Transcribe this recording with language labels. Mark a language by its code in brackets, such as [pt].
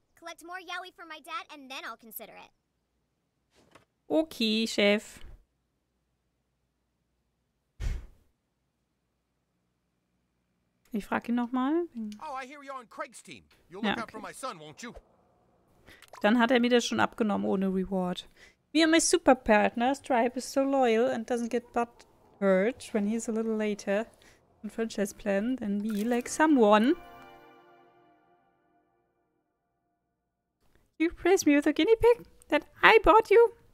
[en] Collect more Yaoi for my dad and then I'll consider it. [de] Okay, Chef. Ich frage ihn nochmal. [en] Oh, I hear you're on Craig's team. You'll look out for my son, won't you? [de] Dann hat er mir das schon abgenommen ohne Reward. [en] Me and my super partner, Stripe, is so loyal and doesn't get butt hurt when he's a little later on franchise plan than me, like someone. You praise me with a guinea pig that I bought you?